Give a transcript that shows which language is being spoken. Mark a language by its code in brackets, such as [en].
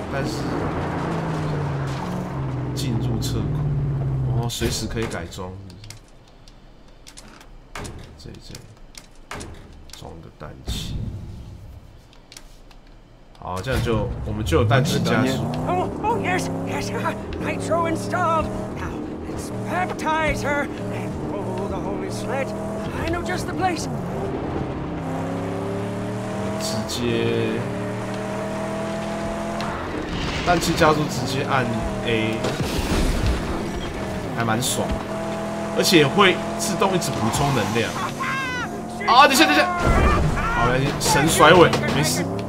[zh] 但是进入车库，哦，随时可以改装。这装个氮气。好，这样就我们就有氮气加速。 [en] Oh yes, yes, nitro installed. Now let's baptize her and pull the holy sled. I know just the place. [zh] 直接氮气加速，直接按 A， 还蛮爽，而且会自动一直补充能量。啊，等一下，好，来神甩尾，没事。